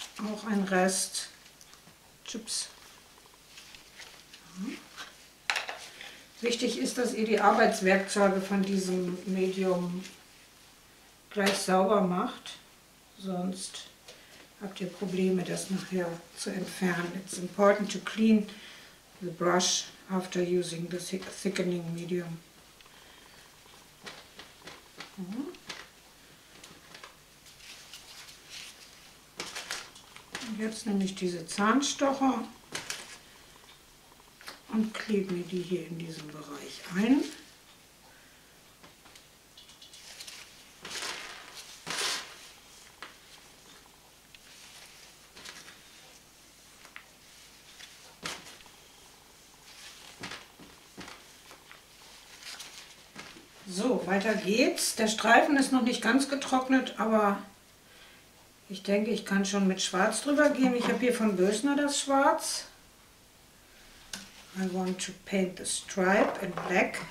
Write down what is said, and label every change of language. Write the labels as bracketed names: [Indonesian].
[German] Auch ein Rest Chips. Wichtig ist, dass ihr die Arbeitswerkzeuge von diesem Medium gleich sauber macht, sonst habt ihr Probleme, das nachher zu entfernen. [English] It's important to clean the brush after using the thickening medium. [German] Und jetzt nehme ich diese Zahnstocher und klebe mir die hier in diesem Bereich ein. So, weiter geht's. Der Streifen ist noch nicht ganz getrocknet, aber ich denke, ich kann schon mit Schwarz drüber gehen. Ich habe hier von Bösner das Schwarz. [English] I want to paint the stripe in black.